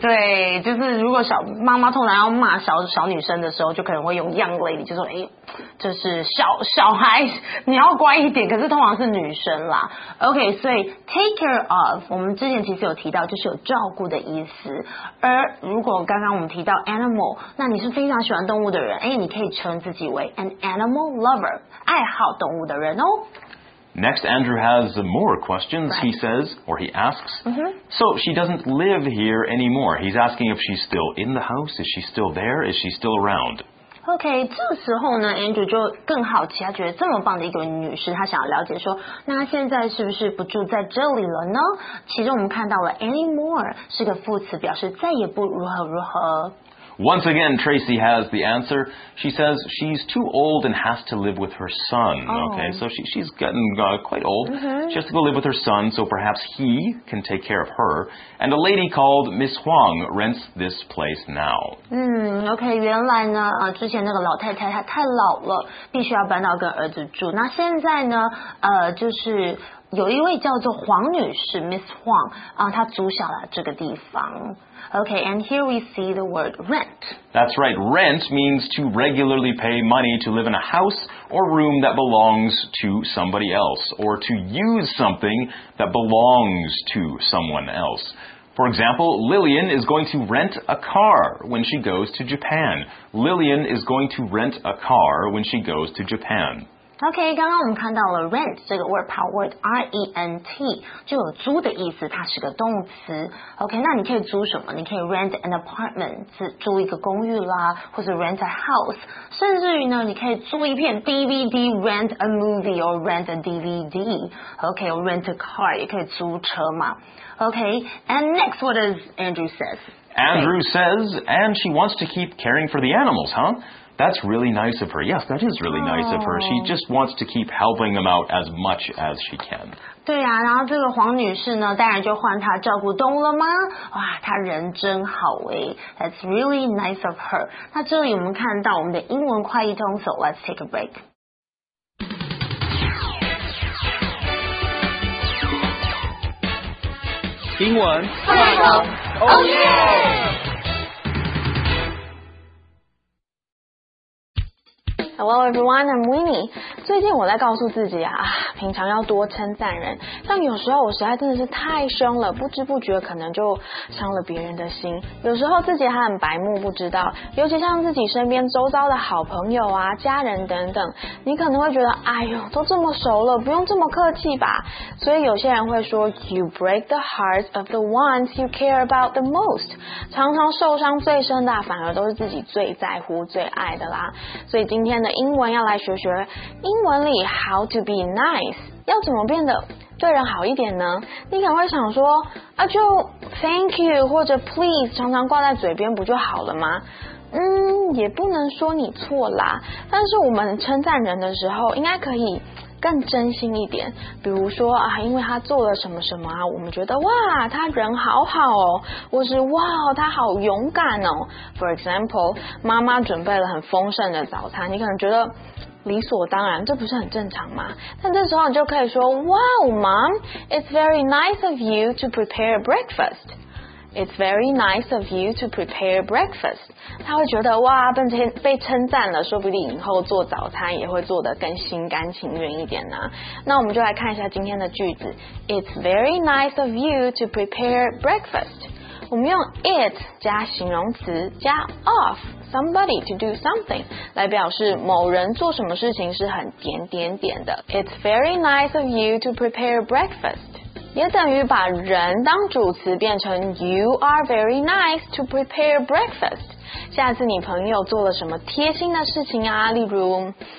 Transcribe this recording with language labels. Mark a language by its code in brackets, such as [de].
[zh] 对，就是如果小妈妈通常要骂小女生的时候，就可能会用 [en] young lady， [zh] 就说哎，就是小孩，你要乖一点。可是通常是女生啦。 Okay, 所以 take care of， 我们之前其实有提到，就是有照顾的意思，而如果刚刚我们提到 animal， 那你是非常喜欢动物的人，哎，你可以称自己为 [en] an animal lover， [zh] 爱好动物的人哦。 [en] Next, Andrew has more questions. Right. He says, or he asks, so she doesn't live here anymore. He's asking if she's still in the house. Is she still there? Is she still around? [zh] OK, 这时候呢 ,Andrew 就更好奇，他觉得这么棒的一个女士，他想要了解说，那现在是不是不住在这里了呢？其实我们看到了 anymore 是个副词，表示再也不如何如何。 [en] Once again, Tracy has the answer. She says she's too old and has to live with her son. Okay, so she's gotten quite old. She has to go live with her son, so perhaps he can take care of her. And a lady called Miss Huang rents this place now. [zh] Okay, 原来呢，之前那个老太太她太老了，必须要搬到跟儿子住。那现在呢，就是有一位叫做黄女士 ,Miss Huang, 她租下了这个地方。 [en] Okay, and here we see the word rent. That's right. Rent means to regularly pay money to live in a house or room that belongs to somebody else, or to use something that belongs to someone else. For example, Lillian is going to rent a car when she goes to Japan. Lillian is going to rent a car when she goes to Japan. [zh] Okay, 刚刚我们看到了 rent 这个 word power word R-E-N-T 就有租的意思，它是个动词。 Okay, 那你可以租什么？你可以 [en] rent an apartment， [zh] 租一个公寓啦，或者 [en] rent a house， [zh] 甚至于呢，你可以租一片 DVD， [en] rent a movie or rent a DVD。 Okay, or rent a car， [zh] 也可以租车嘛。 [en] Okay, and next, what does Andrew says? Andrew says, and she wants to keep caring for the animals, huh? That's really nice of her. Yes, that is really nice of her. She just wants to keep helping them out as much as she can. [zh] 对啊，然后这个黄女士呢，当然就换她照顾动物了吗？哇，她人真好诶。 [en] That's really nice of her. [zh] 那这里我们看到我们的英文快译通， [en] so let's take a break. [zh] 英文快通 ， [en] Oh yeah! Hello everyone, I'm Winnie. [zh] 最近我在告诉自己平常要多称赞人，但有时候我实在真的是太凶了，不知不觉可能就伤了别人的心。有时候自己还很白目，不知道，尤其像自己身边周遭的好朋友啊、家人等等，你可能会觉得，哎呦，都这么熟了，不用这么客气吧。所以有些人会说 [en] ，You break the hearts of the ones you care about the most. [zh] 常常受伤最深的，反而都是自己最在乎、最爱的啦。所以今天。的英文要来学学英文里 [en] how to be nice [zh] 要怎么变得对人好一点呢你可能会想说啊，就 [en] thank you [zh] 或者 please 常常挂在嘴边不就好了吗也不能说你错啦但是我们称赞人的时候应该可以更真心一点比如说啊，因为他做了什么什么啊，我们觉得哇他人好好哦或是哇他好勇敢哦 For example 妈妈准备了很丰盛的早餐你可能觉得理所当然这不是很正常吗但这时候你就可以说 [en] Wow mom It's very nice of you to prepare breakfast It's very nice of you to prepare breakfast. [zh] 他会觉得哇，被称赞了，说不定以后做早餐也会做得更心甘情愿一点呢。那我们就来看一下今天的句子。 [en] It's very nice of you to prepare breakfast. [zh] 我们用 it 加形容词加 of somebody to do something 来表示某人做什么事情是很点点点的。 [en] It's very nice of you to prepare breakfast. [zh] 也等于把人当主词变成 [en] You are very nice to prepare breakfast [zh] 下次你朋友做了什么贴心的事情啊例如